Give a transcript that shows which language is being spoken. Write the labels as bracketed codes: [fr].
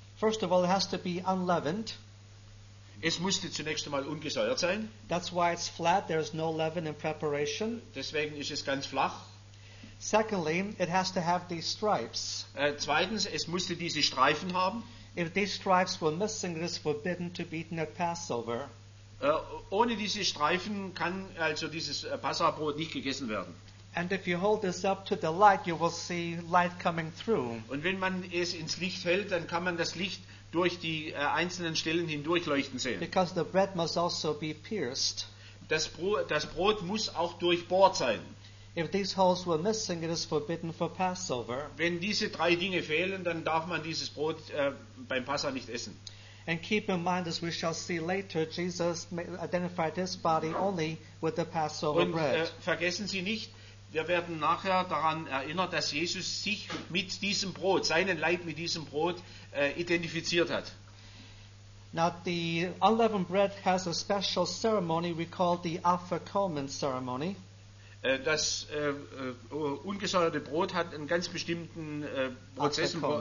[en] First of all, it has to be unleavened. [de] Es musste zunächst einmal ungesäuert sein. [en] That's why it's flat. There is no leaven in preparation. [de] Deswegen ist es ganz flach. [en] Secondly, it has to have these stripes. [de] Zweitens, es musste diese Streifen haben. [en] If these stripes were missing, it is forbidden to be eaten at Passover. [de] Ohne diese Streifen kann also dieses Passahbrot nicht gegessen werden. [en] And if you hold this up to the light, you will see light coming through. [de] Und wenn man es ins Licht hält, dann kann man das Licht durch die einzelnen Stellen hindurchleuchten sehen. [en] Because the bread must also be pierced. [de] Das Brot muss auch durchbohrt sein. [en] If these holes were missing, it is forbidden for Passover. [de] Wenn diese drei Dinge fehlen, dann darf man dieses Brot beim Passah nicht essen. [en] And keep in mind, as we shall see later, Jesus identified his body only with the Passover [de] Und, [en] bread. [de] Vergessen Sie nicht, wir werden nachher daran erinnert, dass Jesus sich mit diesem Brot, seinen Leib mit diesem Brot identifiziert hat. [en] Now the unleavened bread has a special ceremony we call the Afikomen ceremony. [de] Das ungesäuerte Brot hat einen ganz bestimmten Prozess.